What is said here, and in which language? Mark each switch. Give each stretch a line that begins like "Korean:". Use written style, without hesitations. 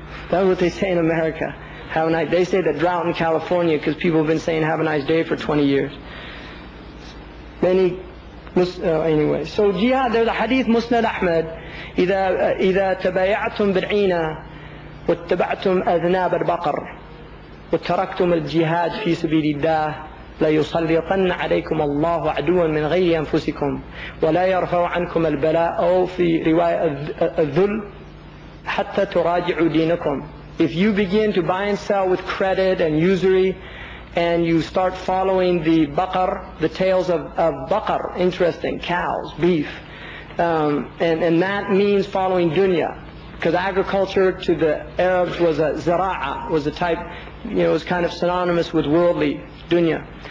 English: That's what they say in America. Have a nice day. They say the drought in California because people have been saying have a nice day for 20 years. Many, anyway. So jihad, there's a hadith, Musnad Ahmed.
Arabic: إذا تبايعتم بالعينة واتبعتم أذناب البقر وتركتم الجهاد في سبيل الله لا يسلطن عليكم الله عدوا من غير أنفسكم ولا يرفع عنكم البلاء أو في رواية الذل حتى تراجعوا دينكم.
English: If you begin to buy and sell with credit and usury and you start following the Baqar, the tales of Baqar, interesting, cows, beef, and that means following dunya, because agriculture to the Arabs was a zara'a, was a type, you know, it was kind of synonymous with worldly dunya.